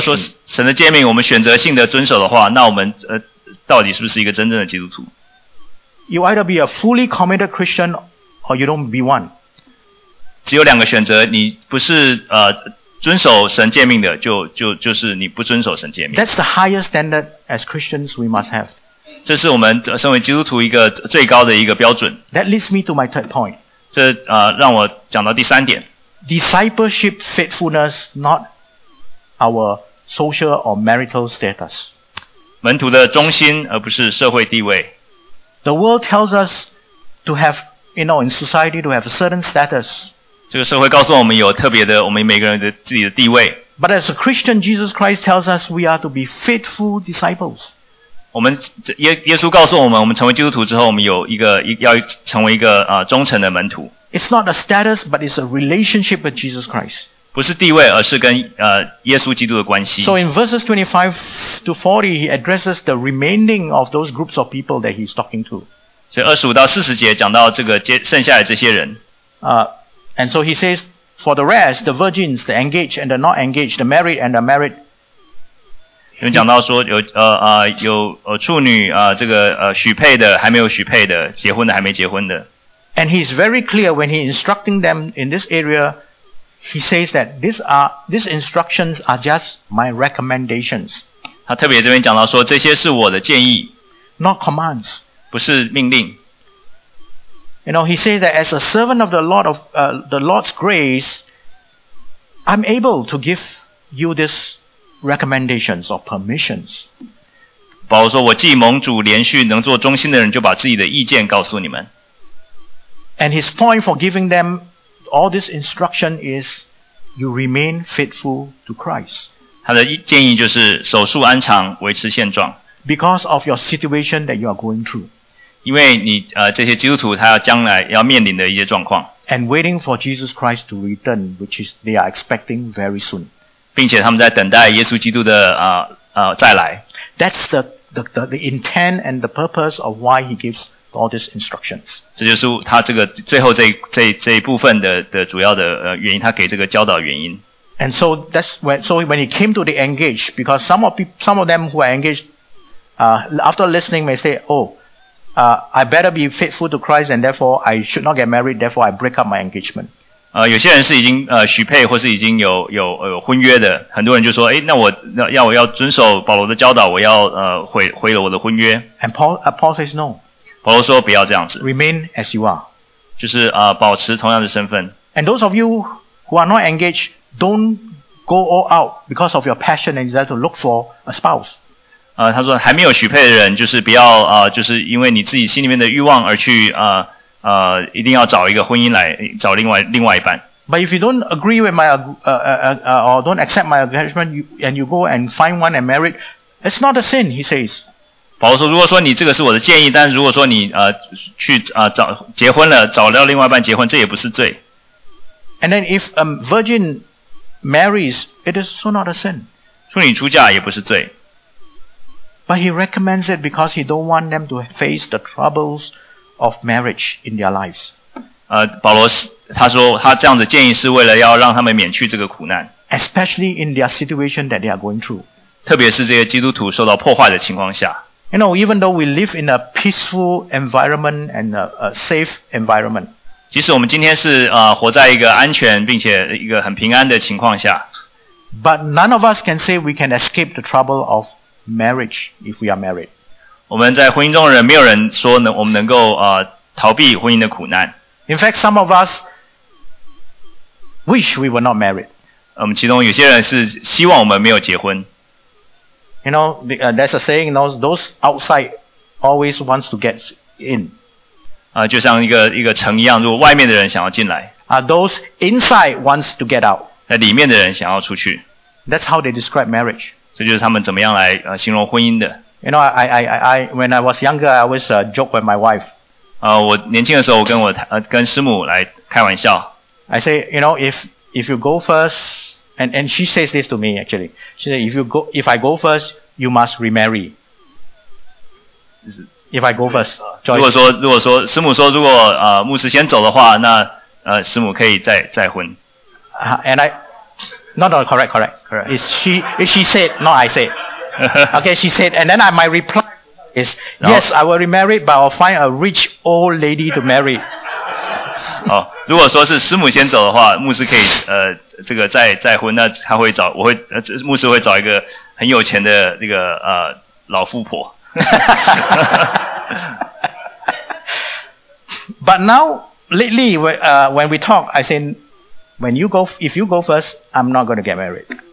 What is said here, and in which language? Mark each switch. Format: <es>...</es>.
<zh>如果说神的诫命我们选择性的遵守的话，那我们到底是不是一个真正的基督徒？</zh> <en>You either be a fully committed Christian or you don't be one.</en> <zh>只有两个选择，你不是遵守神诫命的，就是你不遵守神诫命。</zh> <en>That's the highest standard as Christians we must have.</en> <zh>这是我们身为基督徒一个最高的一个标准。</zh> <en>That leads me to my third point.</en> <zh>这让我讲到第三点。</zh> <en>Discipleship faithfulness, not our social or marital status.</en> <zh>门徒的忠心而不是社会地位。</zh> <en>The world tells us to have, you know, in society to have a certain status.</en> <zh>这个社会告诉我们有特别的，我们每个人的自己的地位。</zh> <en>But as a Christian, Jesus Christ tells us we are to be faithful disciples.</en> <zh>我们耶稣告诉我们，我们成为基督徒之后，我们有一个要成为一个忠诚的门徒。</zh> <en>It's not a status, but it's a relationship with Jesus Christ.</en> <zh>不是地位，而是跟耶稣基督的关系。</zh> <en>So in verses 25-40, he addresses the remaining of those groups of people that he's talking to.</en> <zh>所以25-40节讲到这个剩下的这些人。</zh> <en>And so he says, for the rest, the virgins, the engaged and the not engaged, the married and the unmarried.</en> <zh>因为讲到说有处女这个许配的还没有许配的，结婚的还没结婚的。</zh> <en>And he's very clear when he instructing them in this area. He says that these instructions are just my recommendations.</en> <zh>他特别这边讲到说，这些是我的建议</zh> <en>，not commands.</en> <zh>不是命令。</zh> <en>You know, he says that as a servant of the Lord's grace, I'm able to give you these recommendations or permissions.</en> <zh>保罗说，我既蒙主连续能做忠心的人，就把自己的意见告诉你们。</zh> <en>And his point for giving them. All this instruction is you remain faithful to Christ.</en> <zh>他的建议就是守束安常，维持现状。</zh> <en>Because of your situation that you are going through.</en> <zh>因为你这些基督徒他将来要面临的一些状况。</zh> <en>And waiting for Jesus Christ to return, which is they are expecting very soon.</en> <zh>并且他们在等待耶稣基督的再来。</zh> <en>That's the intent and the purpose of why he gives. All these instructions.</en> <zh>这就是他这个最后这一部分的主要的原因，他给这个教导原因。</zh> <en>And so that's when he came to the engaged, because some of them who are engaged, after listening may say, oh, I better be faithful to Christ, and therefore I should not get married, therefore I break up my engagement.</en> <zh>有些人是已经许配或是已经有婚约的，很多人就说，哎，那我要我要遵守保罗的教导，我要毁了我的婚约。</zh> <en>And Paul says no.</en> <zh>保罗说不要这样子。</zh> <en>Remain as you are.</en> <zh>就是保持同样的身份。</zh> <en>And those of you who are not engaged, don't go all out because of your passion and desire to look for a spouse.</en> <zh>他说还没有许配的人就是不要就是因为你自己心里面的欲望而去一定要找一个婚姻来找另外一半。</zh> <en>But if you don't agree with my or don't accept my engagement, and you go and find one and married, it's not a sin, he says.</en> <zh>保罗说，如果说你这个是我的建议，但如果说你去找结婚了，找到另外一半结婚，这也不是罪。</zh> <en>And then if a virgin marries, it is also not a sin.</en> <zh>处女出嫁也不是罪。</zh> <en>But he recommends it because he don't want them to face the troubles of marriage in their lives.</en> <zh>保罗他说他这样的建议是为了要让他们免去这个苦难。</zh> <en>Especially in their situation that they are going through.</en> <zh>特别是这些基督徒受到破坏的情况下。</zh> <en>You know, even though we live in a peaceful environment and a safe environment,</en> <zh>即使我们今天是活在一个安全并且一个很平安的情况下，</zh> <en>but none of us can say we can escape the trouble of marriage if we are married.</en> <zh>我们在婚姻中的人，没有人说我们能够逃避婚姻的苦难。</zh> <en>In fact, some of us wish we were not married.</en> <zh>其中有些人是希望我们没有结婚。</zh> <en>You know, there's a saying, you know, those outside always wants to get in.</en> <zh>就像一个城一样，如果外面的人想要进来。</zh> <en>Those inside wants to get out.</en> <zh>那里面的人想要出去。</zh> <en>That's how they describe marriage.</en> <zh>这就是他们怎么样来形容婚姻的。</zh> <en>You know, I, when I was younger, I always joke with my wife.</en> <zh>我年轻的时候，我跟跟师母来开玩笑。</zh> <en>I say, you know, if you go first,And she says this to me actually. She said, if I go first, you must remarry. If I go first, Joyce.</en> <zh>如果说师母说，如果牧师先走的话，那师母可以再婚。</zh> <en>And I, correct. It's she said, not I said. Okay, she said, and then my reply is, yes, I will remarry, but I'll find a rich old lady to marry.</en> <zh>如果说是师母先走的话，牧师可以这个再婚，那他会找我会牧师会找一个很有钱的这个老富婆。</zh> <en>But now lately, when we talk, I say, if you go first, I'm not going to get married.</en>